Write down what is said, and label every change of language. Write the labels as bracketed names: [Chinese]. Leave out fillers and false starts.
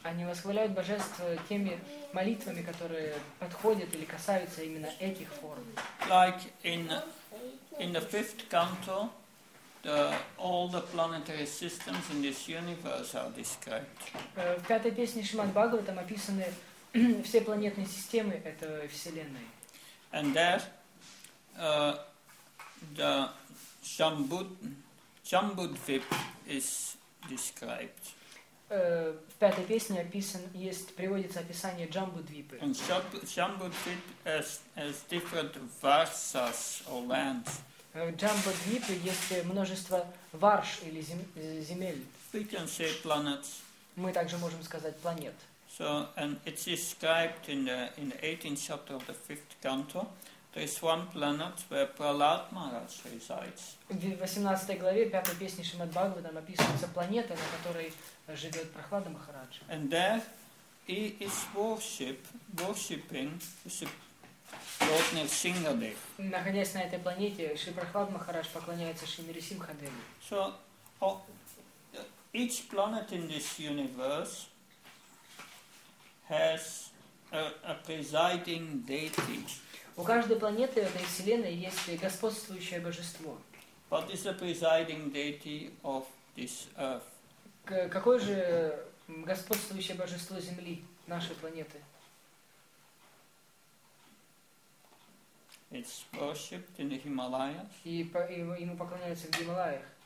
[Russian] Они восхваляют божество теми молитвами, которые подходят или касаются именно этих форм. [English] Like in the fifth canto, all the planetary systems in this universe are described. [Russian] В пятой песне Шримад-Бхагаватам описаны все планетные системы этой вселенной. [English] And there, the Shambhudvip is described. [Russian] В пятой песне описан есть приводится описание Джамбудвипы. [English] And Shambhudvip has different varsas or lands. [Russian] В Джамбудвипе есть множество варш или земель. [English] We can say planets. [Russian] Мы также можем сказать планет. [English] So and it's described in the 18th chapter of the 5th canto. There is one planet where Prahlad Maharaj resides. [Russian] В 18 главе пятой песни Шримад Бхагаватам описывается планета, на которой живет Прохлада Махарадж. [English] And there he is worshipping Lord Nrisimhadev. [Russian] Находясь на этой планете, Шри Прохлад Махарадж поклоняется Шри Нрисимхадеве. [English] So each planet in this universe has a presiding deity. [Russian] У каждой планеты этой вселенной есть господствующее божество. [English] What is the presiding deity of this earth? [Russian] Какое же господствующее божество Земли, нашей планеты? [English] It's worshipped in the Himalayas. [Russian] И ему поклоняются в Гималаях.